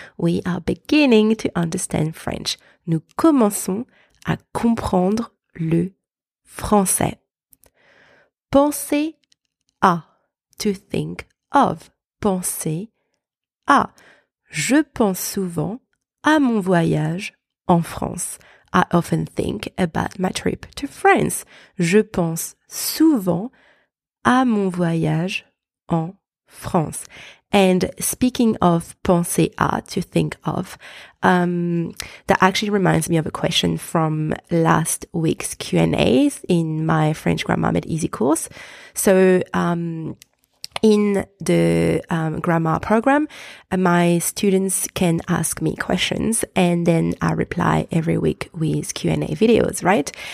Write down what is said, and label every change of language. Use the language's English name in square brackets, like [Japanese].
[English] We are beginning to understand French. [French] Nous commençons à comprendre le français. Penser à. [English] To think of. [French] Penser à. Je pense souvent à mon voyage en France. [English] I often think about my trip to France. [French] Je pense souvent à mon voyage en France. [English] And speaking of [French] penser à, [English] to think of, that actually reminds me of a question from last week's Q&A in my French Grammar Made Easy course. So, in the grammar program, my students can ask me questions and then I reply every week with Q&A videos, right?